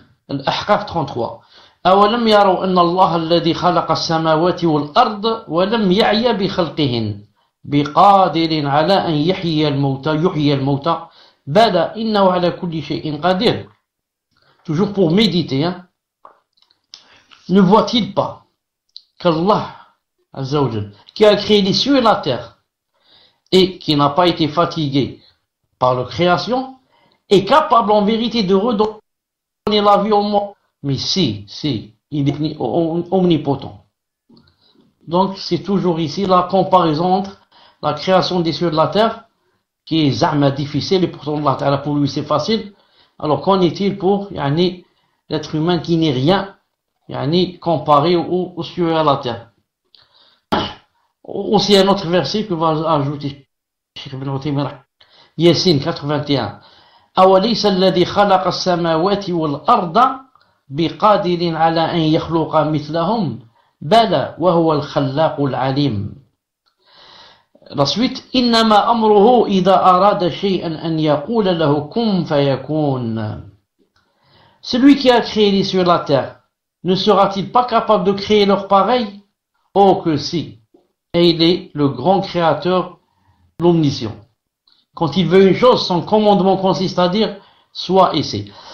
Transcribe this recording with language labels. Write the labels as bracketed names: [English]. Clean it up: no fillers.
[Arabic] الأحقاف 33 أولم يروا أن الله الذي خلق السماوات والأرض ولم يعي بخلقهن بقادر على أن يحيي الموتى يحيي الموتى بلى إنه على كل شيء قدير. [French] Toujours pour méditer, hein. Ne voit-il pas qu'Allah, Azzawajal, qui a créé les cieux et la terre et qui n'a pas été fatigué par la création, est capable en vérité de redonner la vie au monde, mais si, il est omnipotent. Donc, c'est toujours ici la comparaison entre la création des cieux et de la terre, qui est zahma difficile, et pourtant la terre pour lui c'est facile. Alors, qu'en est-il pour yani, l'être humain qui n'est rien yani, comparé aux cieux et à la terre? Aussi, un autre verset que va ajouter Yassine 81. [Arabic] أوليس الذي خلق السماوات والأرض بقادر على أن يخلق مثلهم بلى وهو الخلاق العليم. [French] La suite, [Arabic] إنما أمره إذا أراد شيئا أن يقول له كن فيكون. [French] Celui qui a créé les cieux et la terre, ne sera-t-il pas capable de créer leur pareil? Oh que si! Et il est le grand créateur, l'omniscient. Quand il veut une chose, son commandement consiste à dire soit et c'est.